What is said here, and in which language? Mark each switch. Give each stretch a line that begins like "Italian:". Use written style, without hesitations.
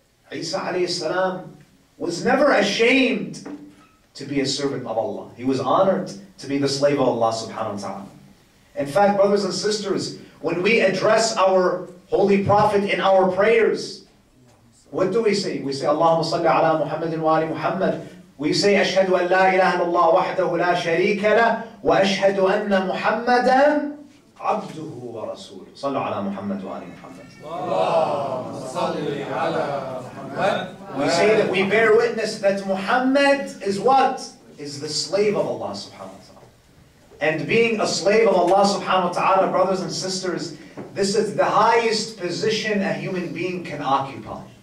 English: Isa alayhi salam was never ashamed to be a servant of Allah. He was honored to be the slave of Allah subhanahu wa ta'ala. In fact, brothers and sisters, when we address our Holy Prophet in our prayers, what do we say? We say,
Arabic: Allahumma salli ala Muhammadin wa ali Muhammad.
English: We say,
Arabic: أشهد أن لا إله إلا الله وحده لا شريك له وأشهد أن محمدا عبده ورسوله. صلوا على محمد وآل محمد.
English: We say that we bear witness that Muhammad is what? Is the slave of Allah subhanahu wa ta'ala. And being a slave of Allah subhanahu wa ta'ala, brothers and sisters, this is the highest position a human being can occupy.